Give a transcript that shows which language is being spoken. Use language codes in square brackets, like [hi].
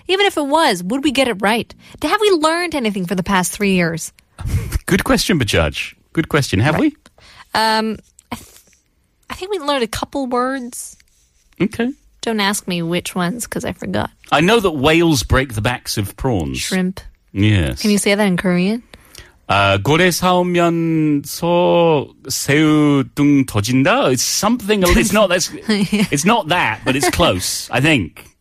[en] Even if it was, would we get it right? Have we learned anything for the past 3 years? Good question, Bajaj. Good question. Have right. we? I think we learned a couple words. Okay. Don't ask me which ones because I forgot. I know that whales break the backs of prawns. Shrimp. Yes. Can you say that in Korean? [ko] 고래 사오면서 새우 등 터진다? [en] It's something. It's not, that's, yeah. It's not that, but it's close, I think.